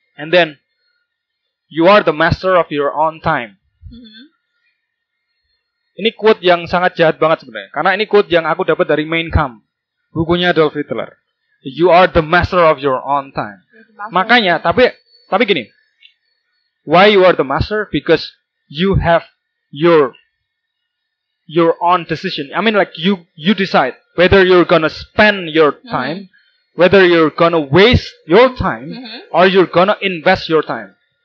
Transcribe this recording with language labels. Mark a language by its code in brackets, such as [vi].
[en] And then you are the master of your own time. [id] Ini quote yang sangat jahat banget sebenarnya. Karena ini quote yang aku dapat dari Mein Kampf, bukunya Adolf Hitler. [en] You are the master of your own time. [id] Makanya, tapi gini. [en] Why you are the master? Because you have your own decision. I mean, like, you decide whether you're gonna spend your time, whether you're gonna waste your time, or you're gonna invest your time.